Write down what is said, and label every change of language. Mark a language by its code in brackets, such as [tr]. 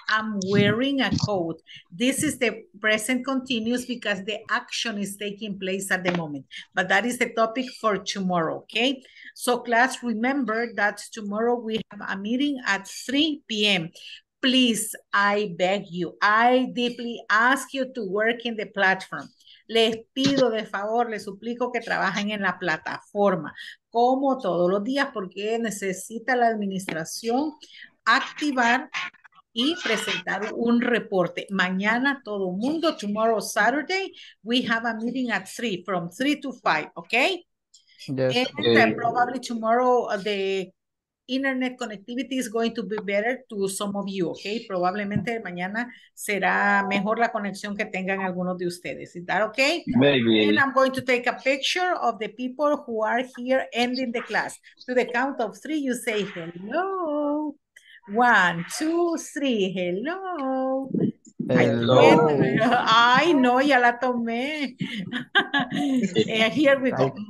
[en] I'm wearing a coat. This is the present continuous because the action is taking place at the moment. But that is the topic for tomorrow, okay? So class, remember that tomorrow we have a meeting at 3 p.m. Please, I beg you, I deeply ask you to work in the platform. [es] Les pido de favor, les suplico que trabajen en la plataforma, como todos los días, porque necesita la administración activar y presentar un reporte. Mañana todo mundo, [en] tomorrow Saturday, we have a meeting at 3, from 3 to 5, okay? Yes. And probably tomorrow the internet connectivity is going to be better to some of you, okay? [es] Probablemente mañana será mejor la conexión que tengan algunos de ustedes. [en] Is that okay? Maybe. And I'm going to take a picture of the people who are here ending the class. To the count of three, you say hello. One, two, three, hello. Hello. [es] Ay, no, ya la tomé. [en] Here we go.